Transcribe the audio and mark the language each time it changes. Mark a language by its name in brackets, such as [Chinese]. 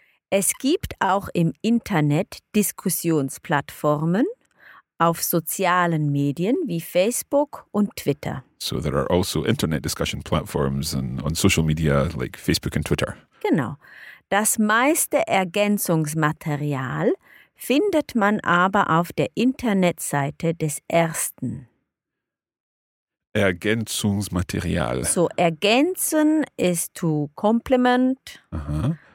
[German] Es gibt auch im Internet Diskussionsplattformen auf sozialen Medien wie Facebook und Twitter. [English] So there are also Internet discussion platforms and on social media like Facebook and Twitter. [German] Genau. Das meiste Ergänzungsmaterial findet man aber auf der Internetseite des Ersten. Ergänzungsmaterial. [English] So, ergänzen ist to complement. Aha.